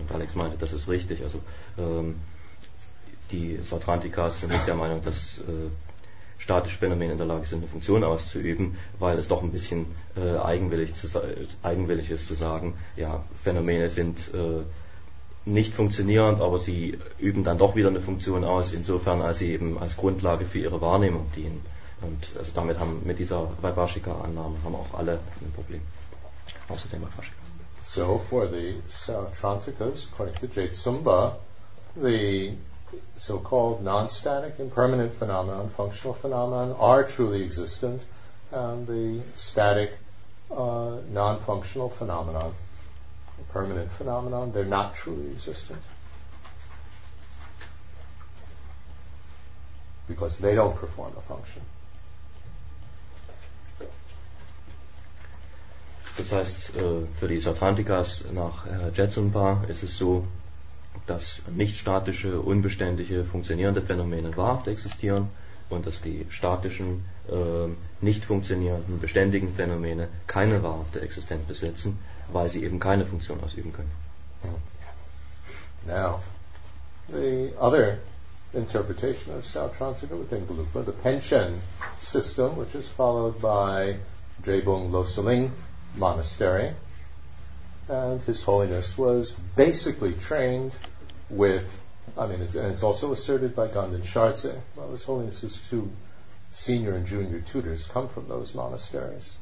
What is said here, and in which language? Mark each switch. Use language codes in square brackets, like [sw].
[de] Und Alex meinte, das ist richtig. Also die Sautrantikas sind nicht der Meinung, dass statische Phänomene in der Lage sind, eine Funktion auszuüben, weil es doch ein bisschen eigenwillig ist zu sagen, ja, Phänomene sind nicht funktionierend, aber sie üben dann doch wieder eine Funktion aus, insofern als sie eben als Grundlage für ihre Wahrnehmung dienen. Und also damit haben mit dieser Vaibhashika-Annahme haben auch alle ein Problem, außer dem Vaibhashika. [en] So, for the Sautrantikas, according to Jetsumba, the so-called non-static, impermanent phenomenon, functional phenomenon, are truly existent, and the static, non-functional phenomenon, permanent phenomenon, they're not truly existent. Because they don't perform a function. [de] Das heißt, für die Sautrantikas nach Jetsumpa ist es so, dass nicht statische, unbeständige, funktionierende Phänomene wahrhaft existieren und dass die statischen, nicht funktionierenden, beständigen Phänomene keine wahrhafte Existenz besitzen, weil sie eben keine Funktion ausüben können. [en] Now, the other interpretation of Sautrantika within Gelugpa, the pension system, which is followed by Drebung Losaling Monastery, and His Holiness was basically trained with, it's also asserted by Ganden Scharze, well, His Holiness's two senior and junior tutors come from those monasteries.